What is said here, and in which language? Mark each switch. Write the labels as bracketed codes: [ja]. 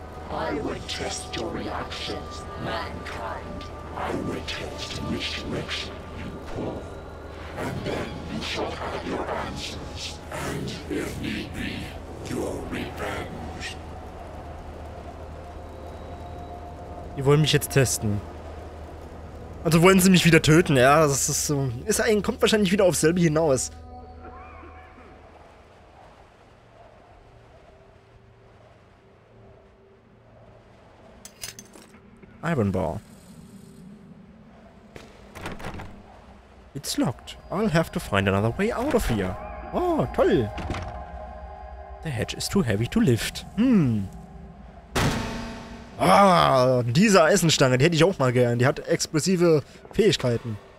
[en] I will test your reactions, mankind. I will test which direction you pull. And then you shall have your answers. And if need be, your revenge. [de] Die wollen mich jetzt testen. Also wollen sie mich wieder töten, ja? Das ist so. Ist ein, kommt wahrscheinlich wieder aufs selbe hinaus. [en] Iron Bar. It's locked. I'll have to find another way out of here. [de] Oh, toll. [en] The hatch is too heavy to lift. Hm. [de] Ah, diese Eisenstange, die hätte ich auch mal gern. Die hat explosive Fähigkeiten.